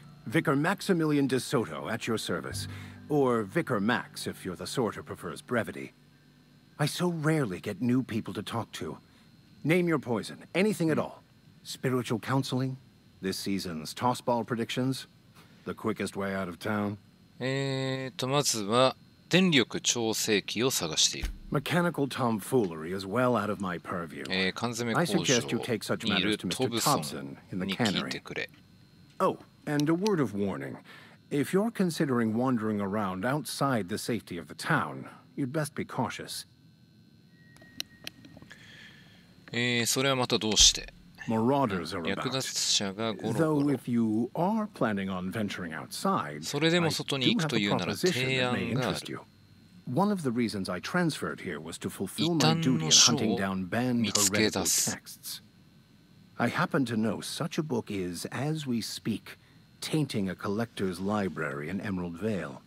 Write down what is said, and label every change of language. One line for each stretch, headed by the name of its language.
English: Vicar Maximilian de Soto at your service. Or Vicar Max if you're the sort who prefers brevity. I so rarely get new people to talk to. Name your poison, anything at all. Spiritual counseling? This season's toss ball predictions? The quickest way out of town?
Japanese: まずは電力調整器を探している。
English: Mechanical tomfoolery is well out of my purview.
Japanese: 缶詰工場。
English: I suggest you take such matters to Mr. Thompson in the cannery. Oh, and a word of warning. If you're considering wandering around outside the safety of the town, you'd best be cautious.
Japanese: それはまたどうして？略奪者がゴロゴロ。それでも外に行くというなら提案がある。
English: One of the reasons I transferred here was to fulfill my duty in hunting down banned heretical texts. I happen to know such a book is, as we speak, tainting a collector's library in Emerald Vale.